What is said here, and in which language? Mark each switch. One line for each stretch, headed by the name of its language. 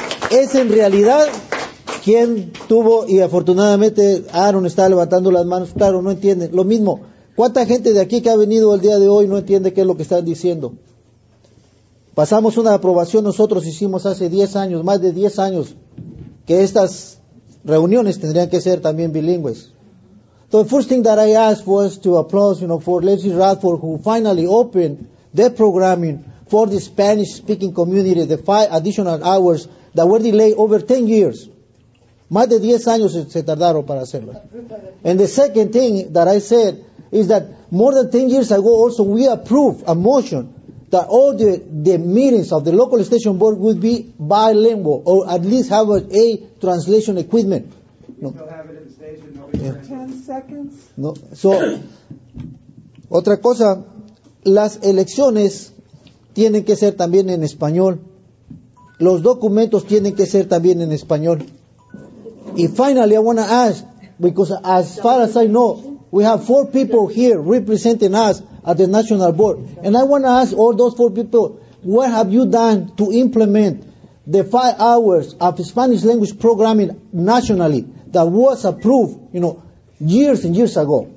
Spanish: Es en realidad quien tuvo, y afortunadamente Aaron está levantando las manos, claro, no entiende. Lo mismo, ¿cuánta gente de aquí que ha venido el día de hoy no entiende qué es lo que están diciendo? Pasamos una aprobación, nosotros hicimos hace 10 años, más de 10 años, que estas reuniones tendrían que ser también bilingües.
English: So the first thing that I asked was to applause, you know, for Leslie Radford, who finally opened the programming for the Spanish-speaking community, the 5 additional hours that were delayed over 10 years.
Spanish: Más de 10 años se tardaron para hacerlo.
English: And the second thing that I said is that more than 10 years ago also we approved a motion that all the meetings of the local station board would be bilingual or at least have a translation equipment. We still have it in station. Yeah. 10 seconds. No.
Spanish: So, otra cosa, las elecciones tienen que ser también en español. Los documentos tienen que ser también en español.
English: And finally, I want to ask, because as far as I know, we have 4 people here representing us at the National Board. And I want to ask all those 4 people, what have you done to implement the 5 hours of Spanish language programming nationally that was approved, you know, years and years ago?